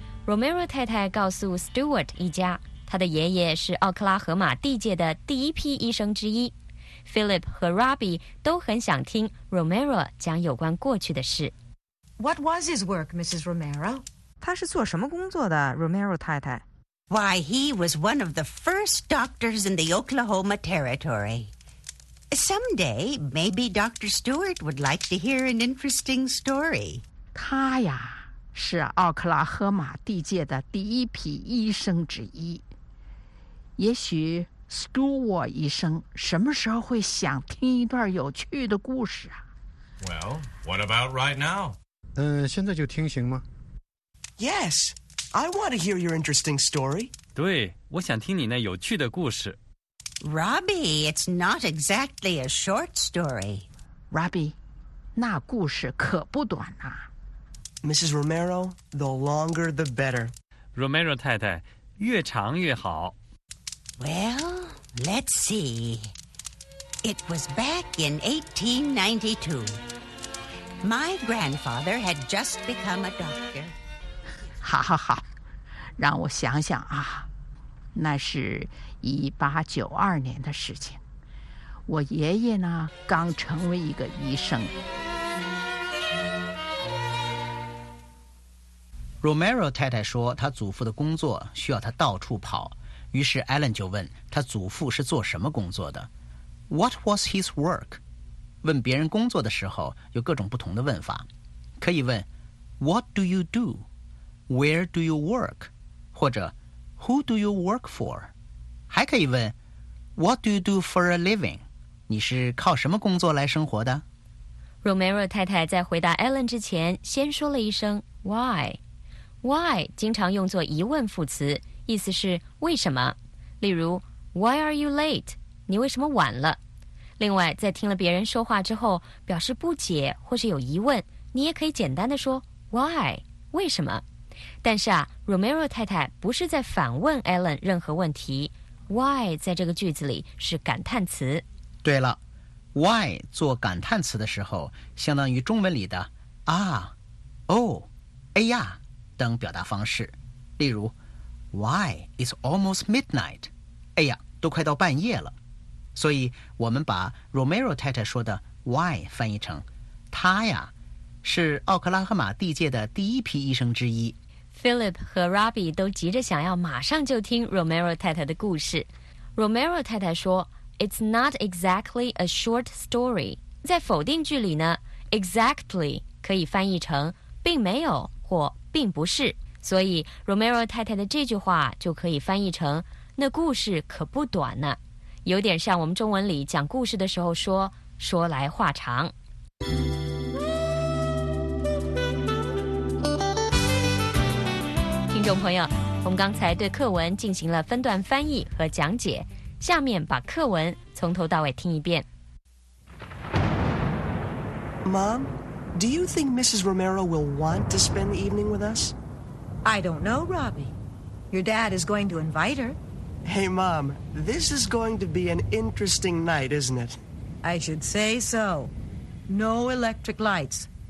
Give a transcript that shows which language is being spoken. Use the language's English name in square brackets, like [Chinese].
[Chinese] Romero 太太告诉 Stewart 一家，他的爷爷是奥克拉荷马地界的第一批医生之一。 Philip 和 Robbie 都很想听 Romero 讲有关过去的事。 [English] What was his work, Mrs. Romero? [Chinese] 他是做什么工作的 ，Romero 太太 [English] ？Why, he was one of the first doctors in the Oklahoma Territory. Someday, maybe Dr. Stewart would like to hear an interesting story. [Chinese] 他呀，是奥克拉荷马地界的第一批医生之一。也许。 Stewart 医生什么时候会想听一段有趣的故事啊 [English] ？Well, what about right now? [Chinese] 现在就听行吗 [English] ？Yes, I want to hear your interesting story. [Chinese] 对，我想听你那有趣的故事。 [English] Robbie, it's not exactly a short story. [Chinese] Robbie, 那故事可不短呐、啊。 [English] Mrs. Romero, the longer the better. [Chinese] Romero 太太，越长越好。 [English] Well, let's see. It was back in 1892. My grandfather had just become a doctor. [Chinese] 好好好，让我想想啊，那是1892年的事情。我爷爷呢，刚成为一个医生。 Romero 太太说，她祖父的工作需要她到处跑。于是 Alan 就问他祖父是做什么工作的 ？ [English] What was his work？ [Chinese] 问别人工作的时候有各种不同的问法，可以问 [English] What do you do？ Where do you work？ [Chinese] 或者 [English] Who do you work for？ [Chinese] 还可以问 [English] What do you do for a living？ [Chinese] 你是靠什么工作来生活的？Romero 太太在回答 Alan 之前，先说了一声 Why？ Why 经常用作疑问副词。意思是为什么？例如 ， [English] Why are you late？ [Chinese] 你为什么晚了？另外，在听了别人说话之后，表示不解或是有疑问，你也可以简单的说 Why？ 为什么？但是啊 ，Romero 太太不是在反问 Alan 任何问题 ，Why 在这个句子里是感叹词。对了 ，Why 做感叹词的时候，相当于中文里的啊、哦、哎呀等表达方式，例如。 [English] Why? It's almost midnight. [Chinese] 哎呀，都快到半夜了。所以我们把 Romero 太太说的 why 翻译成她呀，是奥克拉荷马地界的第一批医生之一。 Philip 和 Robbie 都急着想要马上就听 Romero 太太的故事。Romero 太太说 [English] It's not exactly a short story. [Chinese] 在否定句里呢 exactly 可以翻译成并没有或并不是，所以 Romero 太太的这句话就可以翻译成那故事可不短呢，有点像我们中文里讲故事的时候说说来话长。听众朋友，我们刚才对课文进行了分段翻译和讲解，下面把课文从头到尾听一遍。 [English] Mom, do you think Mrs. Romero will want to spend the evening with us? I don't know, Robbie. Your dad is going to invite her. Hey, Mom, this is going to be an interesting night, isn't it? I should say so. No electric lights.